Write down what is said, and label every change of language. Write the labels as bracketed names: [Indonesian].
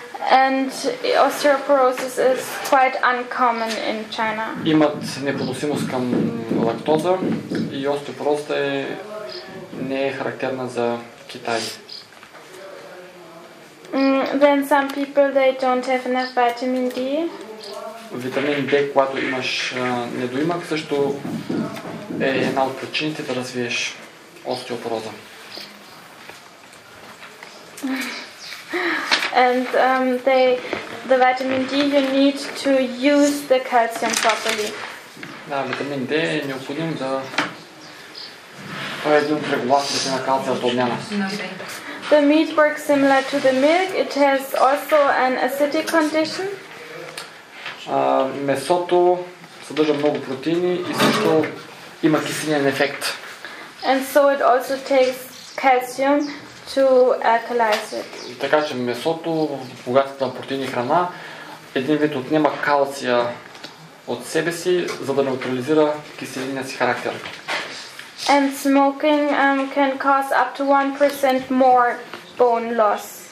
[English] And osteoporosis is quite uncommon in China. [Bulgarian] Имат непоносимост към лактоза и остеопороза е не е характерна за Китай. [English] Then some people they don't have enough vitamin D. [Bulgarian] Витамин D, когато имаш недоимък, също е една от причините да развиеш остеопороза. [English] And the vitamin D you need to use the calcium properly. [Bulgarian] Да, витамин D е необходим за това е един от регулаторите на калция от обмяна. [English] The meat works similar to the milk. It has also an acidic condition. [Bulgarian] Месото съдържа много протеини и също има киселинен ефект. [English] And so it also takes calcium to alkalize it. [Bulgarian] Така че месото, богатството на протеини храна, един вид отнема калция от себе си, за да неутрализира киселинния си характер. [English] And smoking can cause up to 1% more bone loss.